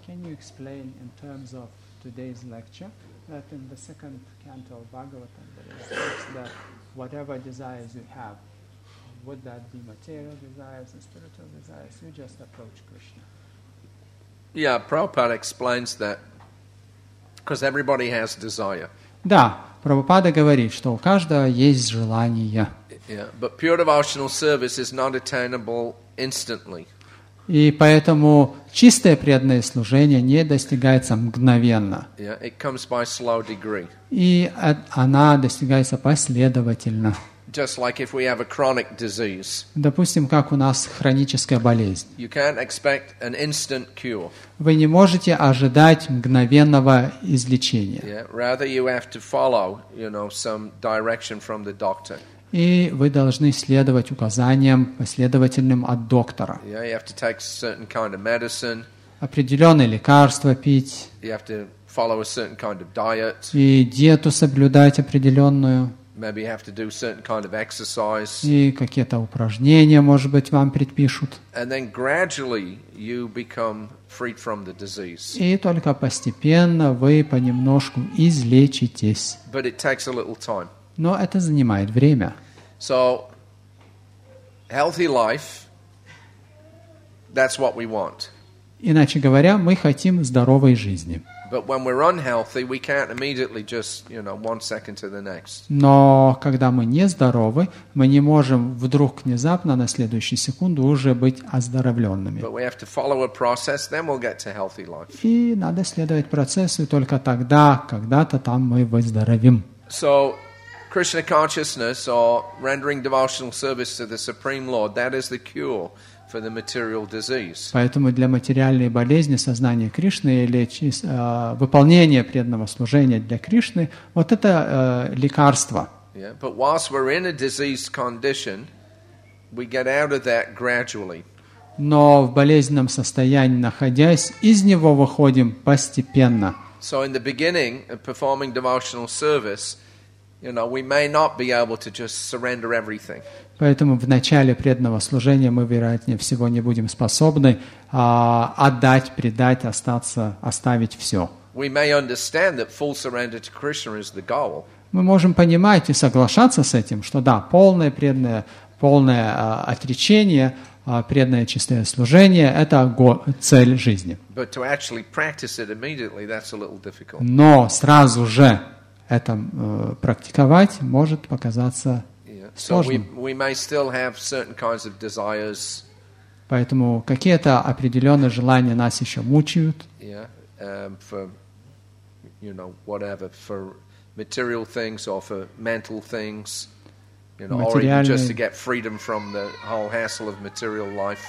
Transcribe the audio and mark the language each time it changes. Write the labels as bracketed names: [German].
[English] Explain in terms of today's lecture that in the second canto of Bhagavatam there is that whatever desires you have, would that be material desires and spiritual desires, you just approach Krishna. Yeah, Prabhupada explains that because everybody has desire. [Russian] Да, Прабхупада говорит, что у каждого есть желание. [English] Yeah, but pure devotional service is not attainable instantly. [Russian] И поэтому чистое преданное служение не достигается мгновенно. [English] Yeah, it comes by slow degree. [Russian] И она достигается последовательно. [English] Just like if we have a chronic disease. [Russian] Допустим, как у нас хроническая болезнь. [English] You can't expect an instant cure. [Russian] Вы не можете ожидать мгновенного излечения. [English] Yeah, rather you have to follow, you know, some direction from the doctor. [Russian] И вы должны следовать указаниям последовательным от доктора. [English] Yeah, you have to take a certain kind of medicine. [Russian] Определенные лекарства пить. [English] You have to follow a certain kind of diet. [Russian] И диету соблюдать определенную. [English] Maybe you have to do certain kind of exercise. [Russian] И какие-то упражнения, может быть, вам предпишут. [English] And then gradually you become freed from the disease. [Russian] И только постепенно вы понемножку излечитесь. [English] But it takes a little time. [Russian] Но это занимает время. [English] So, healthy life, that's what we want. [Russian] Иначе говоря, мы хотим здоровой жизни. [English] But when we're unhealthy, we can't immediately just, you know, one second to the next. [Russian] Но когда мы нездоровы, мы не можем вдруг внезапно на следующую секунду уже быть оздоровленными. [English] But we have to follow a process, then we'll get to healthy life. [Russian] И надо следовать процессу, и только тогда, когда-то там мы выздоровим. [English] So, Krishna consciousness or rendering devotional service to the Supreme Lord, that is the cure for the material disease. [Russian] Поэтому для материальной болезни сознание Кришны или выполнение преданного служения для Кришны, вот это лекарство. [English] Yeah, but whilst we're in a diseased condition, we get out of that gradually. [Russian] Но в болезненном состоянии находясь, из него выходим постепенно. [English] So in the beginning of performing devotional service, you know, we may not be able to just surrender everything. [Russian] Поэтому в начале преданного служения мы, вероятнее всего, не будем способны отдать, предать, остаться, оставить все. [English] We may understand that full surrender to Krishna is the goal. [Russian] Мы можем понимать и соглашаться с этим, что да, полное преданное, полное отречение, преданное чистое служение – это цель жизни. [English] But to actually practice it immediately, that's a little difficult. [Russian] Но сразу же это практиковать может показаться сложным. [English] Yeah. So we [Russian] поэтому какие-то определенные желания нас еще мучают. [English] Yeah. For, you know, whatever, for material things or for mental things. You know, [Russian] материальные, [English] or just to get freedom from the whole hassle of material life.